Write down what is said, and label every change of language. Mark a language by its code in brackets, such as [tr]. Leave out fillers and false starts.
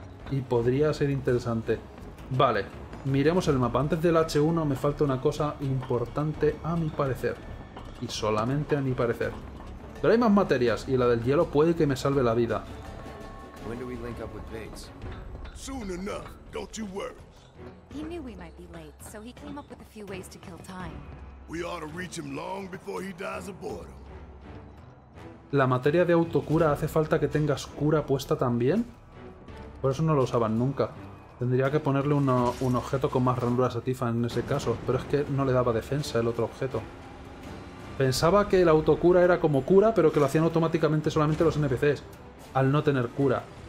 [es] Y podría ser interesante. Vale, miremos el mapa. Antes del H1 me falta una cosa importante a mi parecer. Y solamente a mi parecer. Pero hay más materias y la del hielo puede que me salve la vida. ¿Cuándo nos linkamos con Bates? [en] Soon enough, don't you worry. He knew we might be late, so he came up with a few ways to kill time. We ought to reach him long before he dies of boredom. [es] La materia de autocura hace falta que tengas cura puesta también. Por eso no lo usaban nunca. Tendría que ponerle un objeto con más ranuras a Tifa en ese caso, pero es que no le daba defensa el otro objeto. Pensaba que la autocura era como cura, pero que lo hacían automáticamente solamente los NPCs, al no tener cura.